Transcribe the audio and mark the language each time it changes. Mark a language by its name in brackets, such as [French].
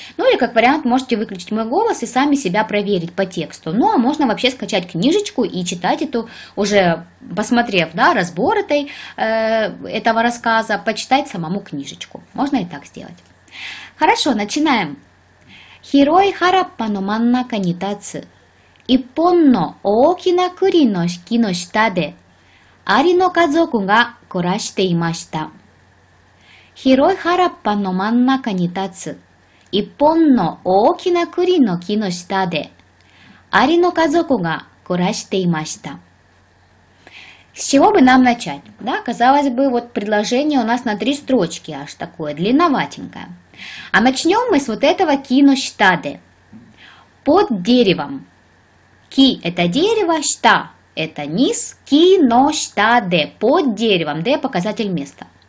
[Russian] Ну или, как вариант, можете выключить мой голос и сами себя проверить по тексту. Ну а можно вообще скачать книжечку и читать эту, уже посмотрев, да, разбор этого рассказа, почитать самому книжечку. Можно и так сделать. Хорошо, начинаем. [Japanese] Хирой хараппано маннака ни тацу. 1本の大きな栗の木の下で、アリの家族が暮らしていました。広い原っぱの真ん中に立つ、一本の大きな栗の木の下で、アリの家族が暮らしていました。 [Russian] С чего бы нам начать? Да, казалось бы, вот предложение у нас на три строчки аж такое, длинноватенькое. А начнем мы с вот этого киноштаде. Под деревом. Ки – это дерево, шта – это низ, киноштаде – под деревом, де – показатель места.